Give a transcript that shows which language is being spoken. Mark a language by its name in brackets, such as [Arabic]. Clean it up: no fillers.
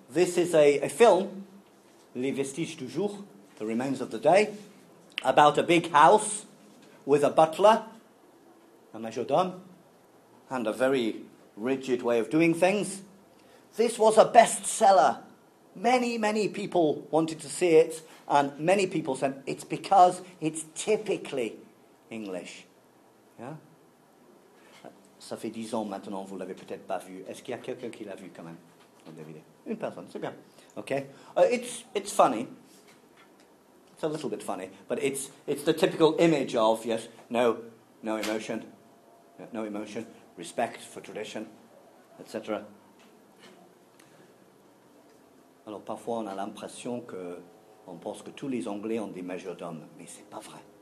[English] This is a film, Les Vestiges du Jour, The Remains of the Day, about a big house with a butler, a majordome, and a very rigid way of doing things. This was a bestseller. Many, many people wanted to see it, and many people said it's because it's typically English. Yeah? [French] Ça fait 10 ans maintenant, vous ne l'avez peut-être pas vu. Est-ce qu'il y a quelqu'un qui l'a vu quand même dans la vidéo? Une personne, c'est bien. Okay. [English] It's funny. It's a little bit funny, but it's the typical image of, yes, no emotion, no emotion, respect for tradition, etc. [French] Alors parfois on a l'impression que on pense que tous les Anglais ont des majordomes, mais c'est pas vrai.